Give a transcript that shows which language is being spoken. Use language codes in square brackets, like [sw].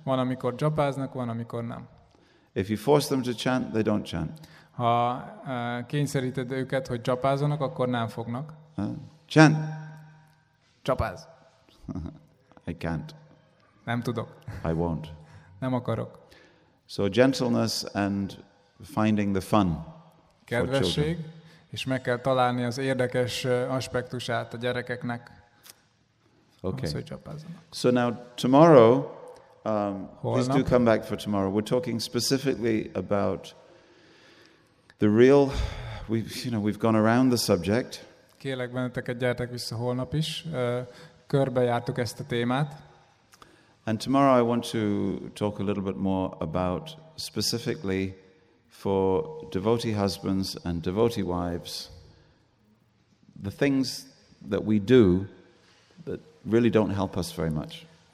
[hu] Van, amikor japáznak, van, amikor nem. [en] If you force them to chant, they don't chant. [hu] Ha kényszeríted őket, hogy japázzanak, akkor nem fognak. [en] Chant. [hu] Japázz. [en] I can't. [hu] Nem tudok. [en] I won't. [hu] Nem akarok. [en] So gentleness and finding the fun. [hu] Kedvesség, és meg kell találni az érdekes aspektusát a gyerekeknek. [en] Okay. [hu] Ahhoz, hogy japázzanak. [en] So now tomorrow, please do come back for tomorrow. We're talking specifically about the real, we've gone around the subject. [hu] Kérlek benneteket, gyertek vissza holnap is. Körbejártuk ezt a témát. [en] And tomorrow I want to talk a little bit more about specifically for devotee husbands and devotee wives the things that we do that really don't help us very much.